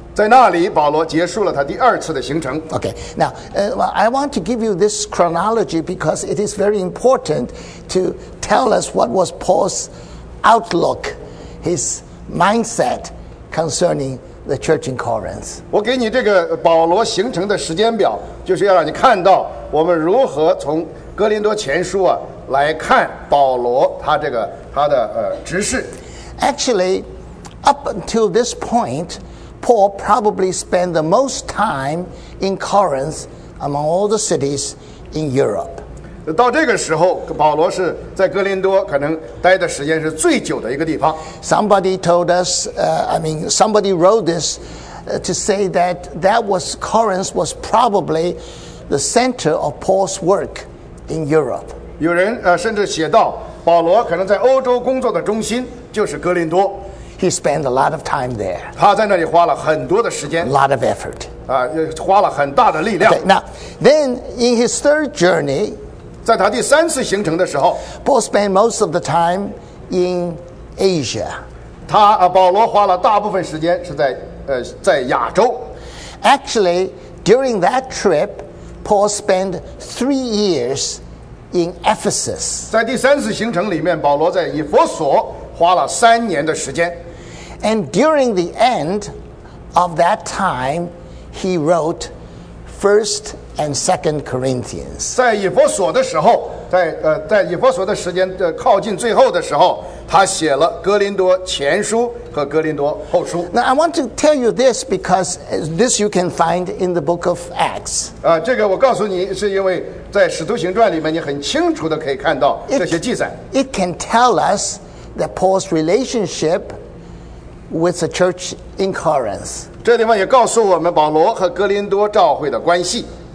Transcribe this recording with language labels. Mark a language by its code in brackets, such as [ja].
[zh] 在那里，保罗结束了他第二次的行程。 [en] Okay, now, I want to give you this chronology because it is very important to tell us what was Paul's outlook, his mindset concerning. The church in Corinth. [zh] 我给你这个保罗行程的时间表，就是要让你看到我们如何从哥林多前书啊来看保罗他这个他的执事。 [en] Actually, up until this point, Paul probably spent the most time in Corinth among all the cities in Europe. [zh] 到这个时候，保罗是在哥林多可能待的时间是最久的一个地方。 [en] Somebody told us, somebody wrote this, to say that was Corinth was probably the center of Paul's work in Europe. [zh] 有人甚至写到，保罗可能在欧洲工作的中心就是哥林多。 [en] He spent a lot of time there. [zh] 他在那里花了很多的时间。 [en] A lot of effort. [zh] 花了很大的力量。 [en] Okay, now, then in his third journey. [zh] 在他第三次行程的时候 [en] ，Paul spent most of the time in Asia. [zh] 他保罗花了大部分时间是在在亚洲。 [en] Actually, during that trip, Paul spent 3 years in Ephesus. [zh] 在第三次行程里面，保罗在以弗所花了3年的时间。 [en] And during the end of that time, he wrote First. And Second Corinthians. [zh] 在以弗所的时候，在在以弗所的时间靠近最后的时候，他写了哥林多前书和哥林多后书。 [en] Now I want to tell you this because this you can find in the book of Acts. [zh] 啊，这个我告诉你，是因为在使徒行传里面，你很清楚的可以看到这些记载。 [en] It can tell us that Paul's relationship with the church in Corinth. [zh] 这地方也告诉我们保罗和哥林多召会的关系。